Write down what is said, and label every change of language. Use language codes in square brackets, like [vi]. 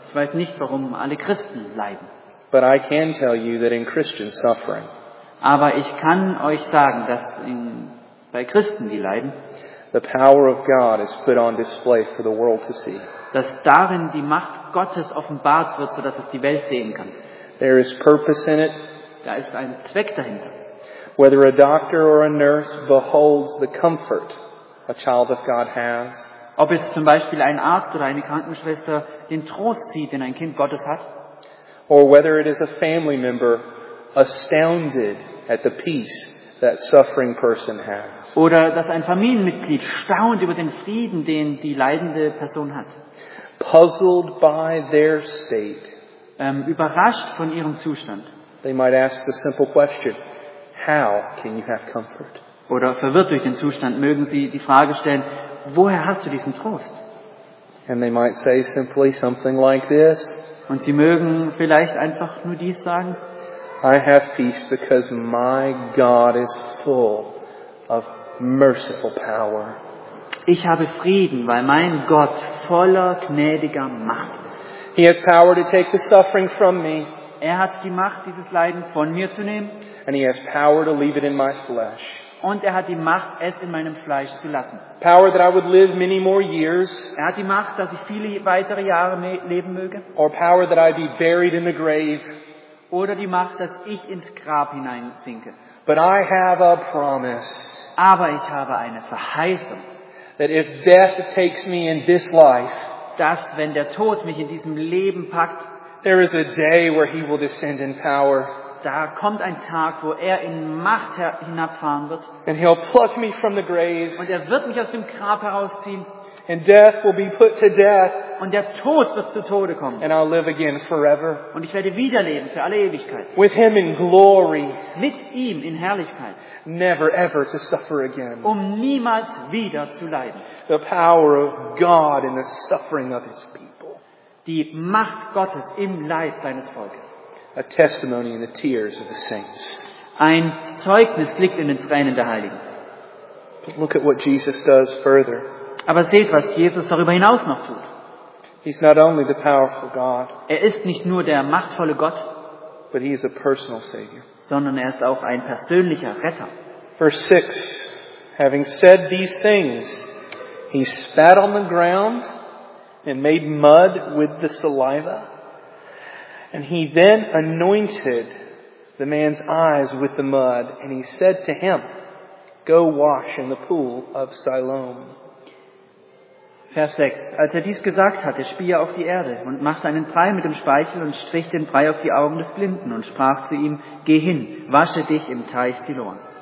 [de] Ich weiß nicht, warum alle Christen leiden. [en] But I can tell you that in Christian suffering. [de] Aber ich kann euch sagen, dass bei Christen, die leiden, [en] the power of God is put on display for the world to see. [de] Dass darin die Macht Gottes offenbart wird, so dass es die Welt sehen kann. [en] There is purpose in it. [de] Da ist ein Zweck dahinter. [en] Whether a doctor or a nurse beholds the comfort a child of God has. [de] Ob es zum Beispiel ein Arzt oder eine Krankenschwester den Trost sieht, den ein Kind Gottes hat. [en] Or whether it is a family member astounded at the peace that suffering person has. [de] Oder dass ein Familienmitglied staunt über den Frieden, den die leidende Person hat. [en] Puzzled by their state. [de] Überrascht von ihrem Zustand. [en] They might ask the simple question, how can you have comfort? [de] Oder verwirrt durch den Zustand mögen sie die Frage stellen, woher hast du diesen Trost? [en] And they might say simply something like this. [de] Und sie mögen vielleicht einfach nur dies sagen. [en] I have peace because my God is full of merciful power. [de] Ich habe Frieden, weil mein Gott voller gnädiger Macht ist. [en] He has power to take the suffering from me. [de] Er hat die Macht, dieses Leiden von mir zu nehmen. [en] And he has power to leave it in my flesh. [de] Und er hat die Macht, es in meinem Fleisch zu lassen. [en] Power that I would live many more years. [de] Er hat die Macht, dass ich viele weitere Jahre leben möge. [en] Or power that I be buried in the grave. [de] Oder die Macht, dass ich ins Grab hineinsinke. [en] But I have a promise. [de] Aber ich habe eine Verheißung. [en] That if death takes me in this life, [de] dass wenn der Tod mich in diesem Leben packt, [en] there is a day where he will descend in power. [de] da kommt ein Tag, wo er in Macht hinabfahren wird. [en] And he'll pluck me from the grave. [de] Und er wird mich aus dem Grab herausziehen. [en] And death will be put to death. [de] Und der Tod wird zu Tode kommen. [en] And I'll live again forever. [de] Und ich werde wiederleben für alle Ewigkeit. [en] With him in glory. [de] Mit ihm in Herrlichkeit. [en] Never ever to suffer again. [de] Um niemals wieder zu leiden. [en] The power of God in the suffering of his people. [de] Die Macht Gottes im Leid seines Volkes. [en] A testimony in the tears of the saints. [de] Ein Zeugnis liegt in den Tränen der Heiligen. [en] But look at what Jesus does further. [de] Aber seht, was Jesus darüber hinaus noch tut. [en] He's not only the powerful God, [de] er ist nicht nur der machtvolle Gott, [en] but he is a personal savior. [de] Sondern er ist auch ein persönlicher Retter. [en] Verse 6, having said these things, he spat on the ground and made mud with the saliva. And he then anointed the man's eyes with the mud. And he said to him, go wash in the pool of Siloam. [de] Vers 6. Als er dies gesagt hatte, spie er auf die Erde und machte einen Brei mit dem Speichel und strich den Brei auf die Augen des Blinden und sprach zu ihm, geh hin, wasche dich im Teich Siloam.